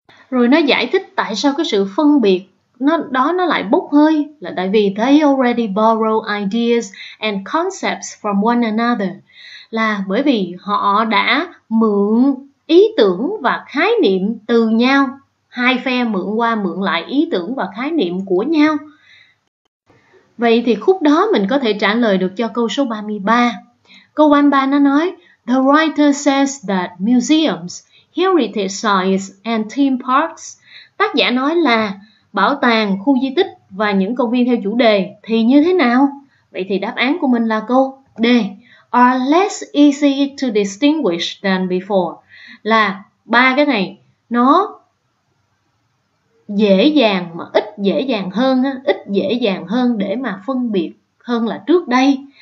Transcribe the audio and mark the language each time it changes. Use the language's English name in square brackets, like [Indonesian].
[Vietnamese] Rồi nó giải thích tại sao cái sự phân biệt nó lại bốc hơi, là tại vì [English] they already borrow ideas and concepts from one another, [Vietnamese] là bởi vì họ đã mượn ý tưởng và khái niệm từ nhau, hai phe mượn qua mượn lại ý tưởng và khái niệm của nhau. Vậy thì khúc đó mình có thể trả lời được cho câu số 33. Câu 33 nó nói: [English] The writer says that museums, heritage sites and theme parks. [Vietnamese] Tác giả nói là bảo tàng, khu di tích và những công viên theo chủ đề thì như thế nào? Vậy thì đáp án của mình là câu D. [English] Are less easy to distinguish than before. [Vietnamese] Là ba cái này nó dễ dàng mà ít dễ dàng hơn, ít dễ dàng hơn để mà phân biệt hơn là trước đây.